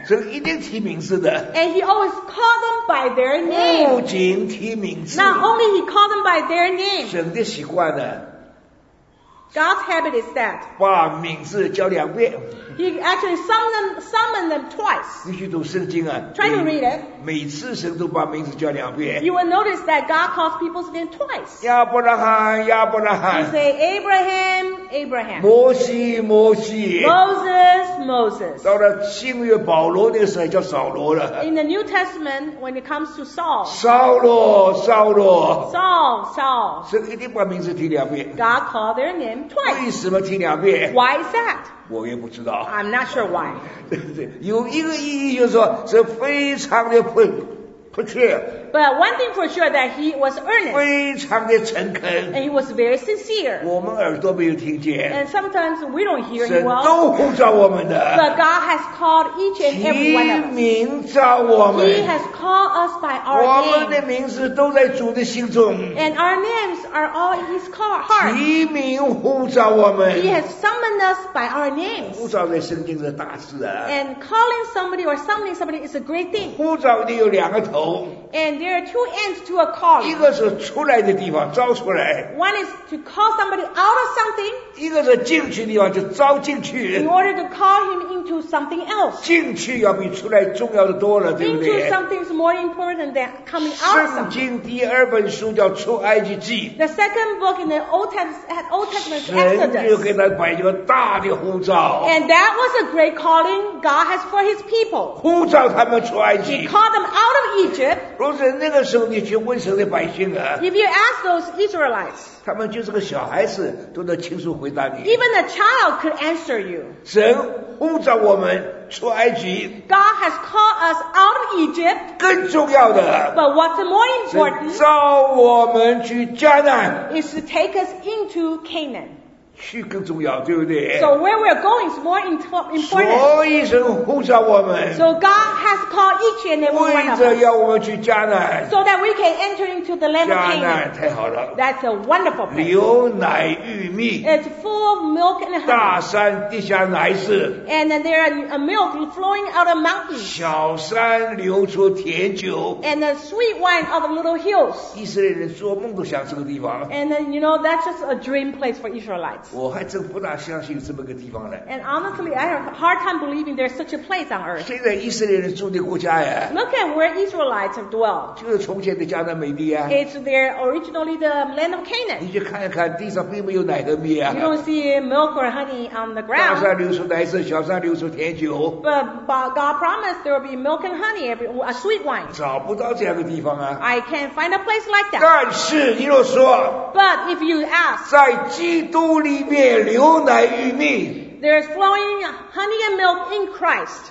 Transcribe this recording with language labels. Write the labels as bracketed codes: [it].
[zh] 神一定提名字的 [en] And he always called them by their name [zh] 不仅提名字 [en] Not only he called them by their name [zh] 神的习惯呢 [en] God's habit is that. [zh] 把名字叫两遍。 [en] He actually summoned them twice. [zh] 你去读圣经啊。 [en] Try to read it. [zh] 每次神都把名字叫两遍。 [en] You will notice that God calls people's name twice. [zh] 亚伯拉罕，亚伯拉罕。 [en] He say Abraham, Abraham. [zh] 摩西，摩西。 [en] Moses, Moses. [zh] 到了新约保罗那个时候叫扫罗了。 [en] In the New Testament, when it comes to Saul. [zh] 扫罗，扫罗。 [en] Saul, Saul. [zh] 神一定把名字提两遍。 [en] God called their name. Twice. [zh] 为什么听两遍 [en] Why is that? [zh] 我也不知道 [en] I'm not sure why [zh] 有一个意义就是说是非常的 clear [en] But one thing for sure that he was earnest [zh] 非常的诚恳 [en] And he was very sincere [zh] 我们耳朵没有听见 [en] And sometimes we don't hear well [zh] 神都呼召我们的 [en] But God has called each and every one of us [zh] 提名召我们 [en] He has called us by our [zh] 我们的名字都在主的心中 [en] And our names are all in his heart [zh] 提名呼召我们 [en] He has summoned us by our names [zh] 呼召在圣经是大事啊 [en] And calling somebody or summoning somebody is a great thing [zh] 呼召的有两个头 [en] AndThere are two ends to a call. [zh] 一个是出来的地方招出来 [en] One is to call somebody out of something. [zh] 一个是进去的地方就招进去 [en] In order to call him into something else. [zh] 进去要比出来重要的多了，对不对 [en] Into something is more important than coming out of something. [zh] 圣经第二本书叫出埃及记 [en] The second book in the Old Testament is Exodus. [zh] 神就给他摆一个大的呼召 [en] And that was a great calling God has for his people. [zh] 呼召他们出埃及 [en] He called them out of Egypt. [zh] 那个时候你去问神的百姓啊 [en] If you ask those Israelites [zh] 他们就是个小孩子都能清楚回答你 [en] Even a child could answer you [zh] 神呼召我们出埃及 [en] God has called us out of Egypt [zh] 更重要的 [en] But what's more important [zh] 召我们去迦南 [en] Is to take us into Canaan [zh] 去更重要对不对 [en] So where we're going is more important [zh] 所以神呼召我们 [en] So God has called each and every one of us [zh] 为着要我们去迦南 [en] So that we can enter into the land of Canaan [zh] 迦南太好了 [en] That's a wonderful place [zh] 牛奶玉米 [en] It's full of milk and honey [zh] 大山地下乃是 [en] And there are a milk flowing out of mountains [zh] 小山流出甜酒 [en] And the sweet wine of little hills [zh] 以色列人做梦都想这个地方 [en] And you know that's just a dream place for Israelites [zh] 我还真不大相信这么个地方呢。 [en] And honestly, I have a hard time believing there's such a place on earth. [zh] 现在以色列人住的国家呀。 [en] Look at where Israelites have dwelt. [zh] 就是从前的迦南美地啊。 [en] It's their originally the land of Canaan. [zh] 你去看一看，地上并没有奶和蜜啊。 [en] You don't see milk or honey on the ground. [zh] 大山流出奶子，小山流出甜酒。 [en] But God promised there will be milk and honey, a sweet wine. [zh] 找不到这样的地方啊。 [en] I can't find a place like that. [zh] 但是你若说。 [en] But if you ask. [zh] 在基督里。里面牛奶玉米 [en] There is flowing honey and milk in Christ.